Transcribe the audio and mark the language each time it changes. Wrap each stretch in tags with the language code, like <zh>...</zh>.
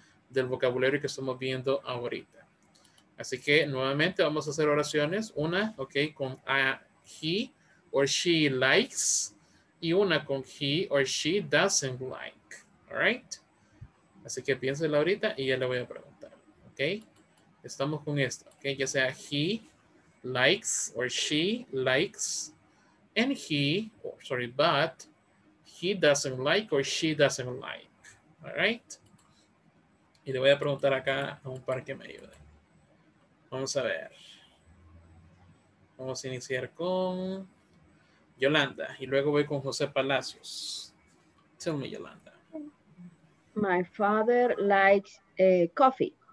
<es>Del vocabulario que estamos viendo ahorita. Así que nuevamente vamos a hacer oraciones. Una, ¿ok?</es> <en>Con he or she likes,</en> <es>y una con</es> <en>he or she doesn't like. All right?</en> <es>Así que piénsela ahorita y ya le voy a preguntar, ¿ok? Estamos con esto, ¿ok? Ya sea</es> <en>he likes or she likes, and he, oh, sorry, but he doesn't like or she doesn't like. All right.</en> <es>Y le voy a preguntar acá a un par que me ayude. Vamos a ver. Vamos a iniciar con Yolanda y luego voy con José Palacios.</es> <en>Tell me, Yolanda. My father likes coffee.</en>